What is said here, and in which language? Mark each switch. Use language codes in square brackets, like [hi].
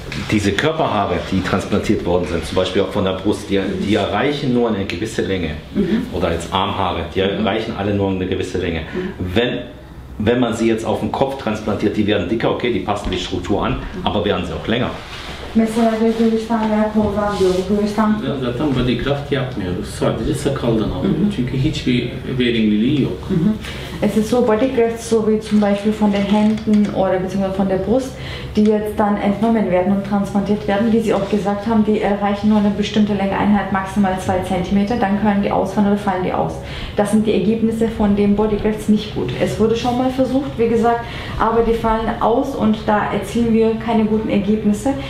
[de] Diese Körperhaare, die transplantiert worden sind, zum Beispiel auch von der Brust, die erreichen nur eine gewisse Länge. Mhm. Oder als Armhaare, die erreichen alle nur eine gewisse Länge. Mhm. Wenn man sie jetzt auf den Kopf transplantiert, die werden dicker, okay, die passen die Struktur an, aber werden sie auch länger. [tr] Mesela göğüsten veya koldan diyoruz. Göğüsten... Ya zaten body graft yapmıyoruz. Sadece sakaldan alıyoruz. Mm-hmm. Çünkü hiçbir verimliliği yok. Mm-hmm. [de] Es ist so, body grafts, so wie zum Beispiel von den Händen oder beziehungsweise von der Brust, die jetzt dann entnommen werden und transplantiert werden, wie Sie auch gesagt haben, die erreichen nur eine bestimmte Längeeinheit, maximal 2 cm, dann können die ausfallen oder fallen die aus. Das sind die Ergebnisse von den Body Grafts nicht gut. Es wurde schon mal versucht, wie gesagt, aber die fallen aus und da erzielen wir keine guten Ergebnisse.